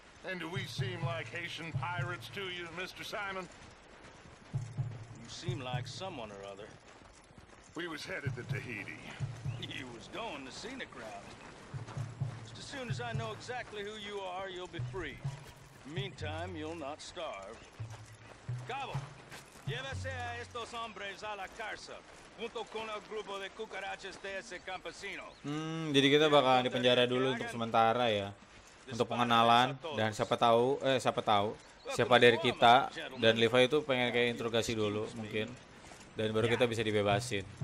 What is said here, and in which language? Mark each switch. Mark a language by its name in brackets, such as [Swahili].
[English] And do we seem like Haitian pirates to you, Mr. Simon? You seem like someone or other. We was headed to Tahiti. You was going the scenic route. Just as soon as I know exactly who you are, you'll be free. Meantime, you'll not starve. [Spanish] Cabo, llévese a estos hombres a la cárcel junto con el grupo de cucarachas de ese campesino. [Indonesian] Jadi kita bakal di penjara dulu untuk sementara ya, untuk pengenalan dan siapa tahu siapa dari kita dan Levi itu pengen kayak interogasi dulu mungkin dan baru kita bisa dibebasin.